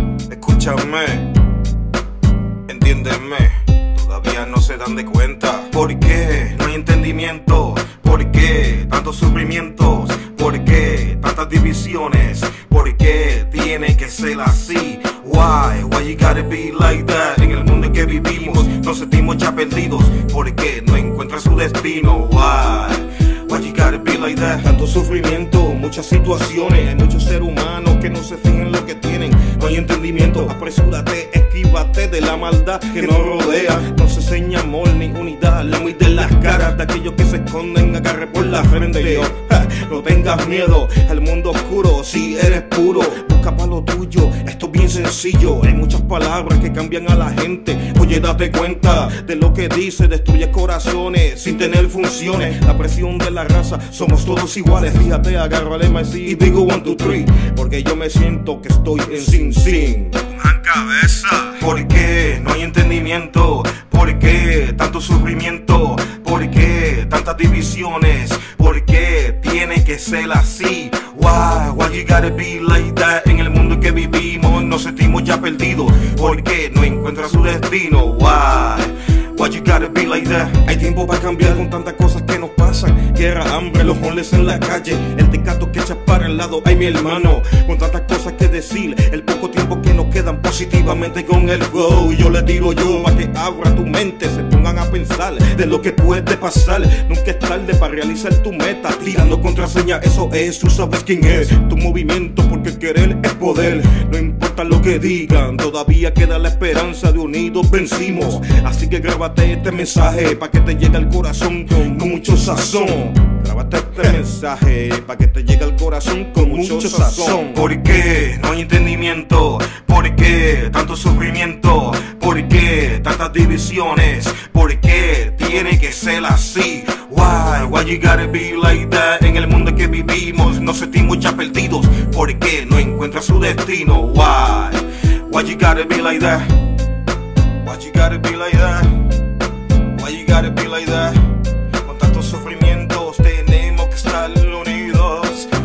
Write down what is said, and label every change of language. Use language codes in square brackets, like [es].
[es] escúchame, entiéndeme, todavía no se dan de cuenta. ¿Por qué no hay entendimiento? ¿Por qué tantos sufrimientos? ¿Por qué tantas divisiones? ¿Por qué tiene que ser así? [en] Why you gotta be like that? [es] En el mundo en que vivimos, nos sentimos ya perdidos. ¿Por qué no encuentras su destino? [en] Why you gotta be like that? [es] Tanto sufrimiento, muchas situaciones. Hay muchos seres humanos que no se fijan en lo que tienen. No hay entendimiento, apresúrate, esquívate de la maldad que nos rodea. No se enseña amor ni unidad, la mitad de las caras de aquellos que se esconden, agarre por la frente. Yo, no tengas miedo al mundo oscuro, si eres puro, busca pa' lo tuyo. Esto es bien sencillo, hay muchas palabras que cambian a la gente. Oye, date cuenta de lo que dice, destruye corazones sin tener funciones. La presión de la raza, somos todos iguales. Fíjate, agarro el MC y digo 1, 2, 3, porque yo me siento que estoy en Sin Sin. ¿Por qué no hay entendimiento? ¿Por qué tanto sufrimiento? ¿Por qué tantas divisiones? ¿Por qué tiene que ser así? [en] Why you gotta be like that? [es] En el mundo en que vivimos nos sentimos ya perdidos. ¿Por qué no encuentras su destino? [en] Why you gotta be like that? [es] Hay tiempo para cambiar con tantas cosas que nos pasan. Guerra, hambre, los homeless en la calle, el tecato que echa para el lado. Ay, mi hermano, con tantas cosas que decir, el poco tiempo que nos quedan positivamente con el flow. Yo le tiro yo para que abra tu mente, se pongan a pensar de lo que puede pasar. Nunca es tarde para realizar tu meta, tirando contraseña, eso es, tú sabes quién es. Tu movimiento, porque querer es poder. No importa lo que digan, todavía queda la esperanza de unidos vencimos. Así que grábate este mensaje pa' que te llegue al corazón con mucho sazón. Grábate este mensaje pa' que te llegue al corazón con mucho sazón. ¿Por qué no hay entendimiento? ¿Por qué tanto sufrimiento? ¿Por qué tantas divisiones? ¿Por qué tiene que ser así? [en] Why you gotta be like that? [es] En el mundo en que vivimos nos sentimos ya perdidos. ¿Por qué no encuentras su destino? [en] Why you gotta be like that? Why you gotta be like that? Why you gotta be like that? [es] Con tantos sufrimientos tenemos que estar unidos.